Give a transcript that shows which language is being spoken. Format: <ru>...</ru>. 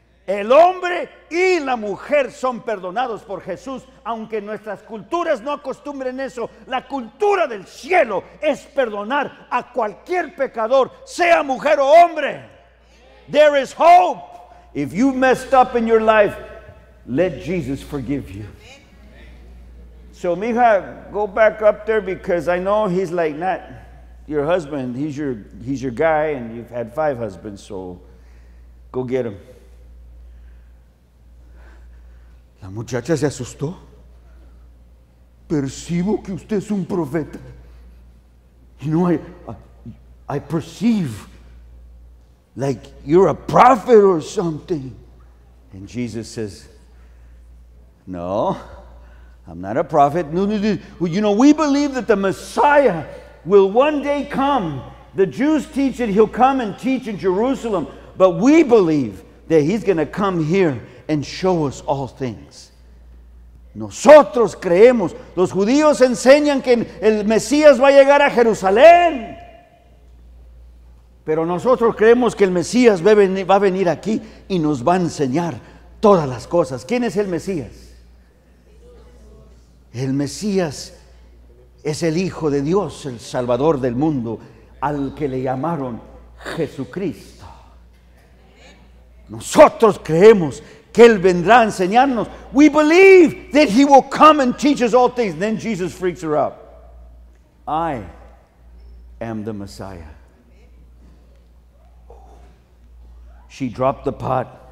<es>El hombre y la mujer son perdonados por Jesús, aunque nuestras culturas no acostumbren eso. La cultura del cielo es perdonar a cualquier pecador, sea mujer o hombre.</es> <en>There is hope. If you messed up in your life, let Jesus forgive you. So, mija, go back up there, because I know he's like not your husband. He's your guy, and you've had 5 husbands, so go get him.</en> <es>La muchacha se asustó. Percibo que usted es un profeta.</es> <en>You know, I perceive like you're a prophet or something. And Jesus says, no, I'm not a prophet. No, no, no. Well, you know, we believe that the Messiah will one day come. The Jews teach that he'll come and teach in Jerusalem. But we believe that he's going to come here and show us all things.</en> <es>Nosotros creemos, los judíos enseñan que el Mesías va a llegar a Jerusalén. Pero nosotros creemos que el Mesías va a venir aquí y nos va a enseñar todas las cosas. ¿Quién es el Mesías? El Mesías es el Hijo de Dios, el Salvador del mundo, al que le llamaron Jesucristo. Nosotros creemos que él vendrá a enseñarnos.</es> <en>We believe that he will come and teach us all things. Then Jesus freaks her out. I am the Messiah. She dropped the pot.</en>